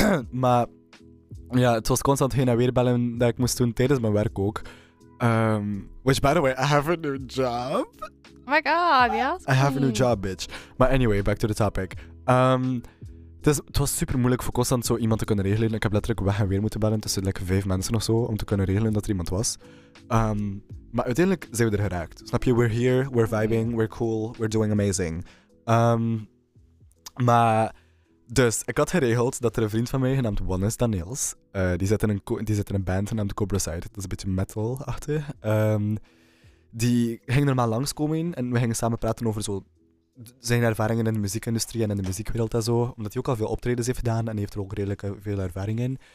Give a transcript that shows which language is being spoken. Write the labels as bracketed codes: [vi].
[nl] maar... Ja, het was constant heen en weer bellen dat ik moest doen tijdens mijn werk ook. [en] Which, by the way, I have a new job. Oh my god, yes. I have a new job, bitch. But anyway, back to the topic. [nl] Het was super moeilijk voor constant zo iemand te kunnen regelen. Ik heb letterlijk weg en weer moeten bellen tussen like, 5 mensen of zo om te kunnen regelen dat er iemand was. Maar uiteindelijk zijn we er geraakt. Snap je? [en] We're here, we're vibing, we're cool, we're doing amazing. [nl] Maar... Dus, ik had geregeld dat er een vriend van mij genaamd Wannes Daniels, die zit in een band genaamd Cobra Side, dat is een beetje metal-achtig, die ging normaal langskomen en we gingen samen praten over zo zijn ervaringen in de muziekindustrie en in de muziekwereld en zo, omdat hij ook al veel optredens heeft gedaan en heeft er ook redelijk veel ervaring in.